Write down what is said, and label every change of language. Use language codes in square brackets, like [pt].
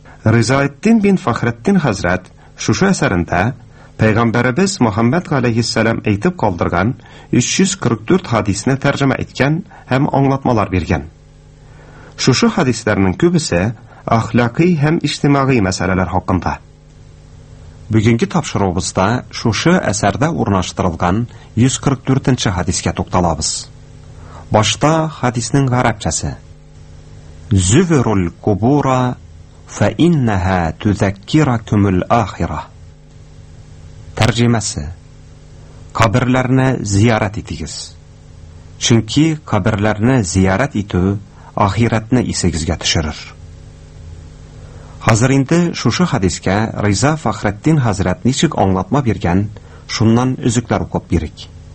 [tt] Ризаэддин бин Фәхретдин хәзрәт шушы әсәрендә Пәйгамбәребез Мөхәммәд галейхиссәлам әйтеп калдырган 344 хадисенә тәрҗемә иткән һәм аңлатмалар биргән. Шушы хадисләрнең күбесе ахлакый һәм иҗтимагый мәсьәләләр хакында. Бүгенге тапшыруыбызда шушы әсәрдә урнаштырылган 144-нче хадискә тукталабыз. Башта хадиснең гарапчасы. [ar] Зувирул кубура фа иннаха тузаккиракумул ахира. [tt] Тәрҗемәсе. Каберләрне зиярат итегез. Чөнки каберләрне зиярат итү ахиратны исегезгә төшерер. Хәзер инде шушы хадискә Риза Фәхреддин хәзрәт ничек аңлатма биргән, шуннан үзекләр укып бирик.